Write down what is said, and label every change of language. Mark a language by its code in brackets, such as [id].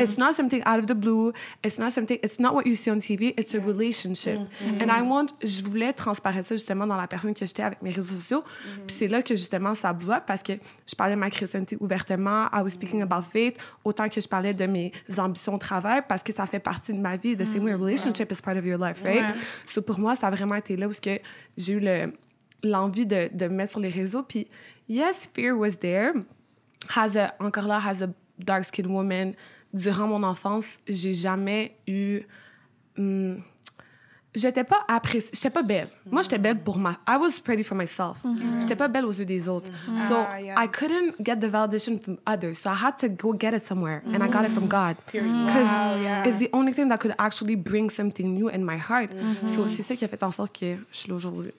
[en] It's not something out of the blue. It's not what you see on TV. It's a relationship. Mm-hmm. And [fr] je voulais transparaître ça justement dans la personne que j'étais avec mes réseaux sociaux. [en] Mm-hmm. [fr] Puis c'est là que justement, ça bloque parce que je parlais de ma chrétienté ouvertement. [en] I was speaking about faith. [fr] Autant que je parlais de mes ambitions au travail, parce que ça fait partie de ma vie. [en] The same way, a relationship is part of your life, right? [fr] So pour moi, ça a vraiment été là où que j'ai eu l'envie de me mettre sur les réseaux. [en] Puis, yes, fear was there. As a dark-skinned woman, [fr] durant mon enfance, j'ai jamais eu... J'étais pas belle. Mm-hmm. Moi, j'étais belle pour moi. [en] I was pretty for myself. [fr] Mm-hmm. J'étais pas belle aux yeux des autres. Mm-hmm. [en] So, I couldn't get the validation from others. So, I had to go get it somewhere. Mm-hmm. And I got it from God. Because it's the only thing that could actually bring something new in my heart. Mm-hmm. [fr] So, c'est ça qui a fait en sorte que je suis là aujourd'hui.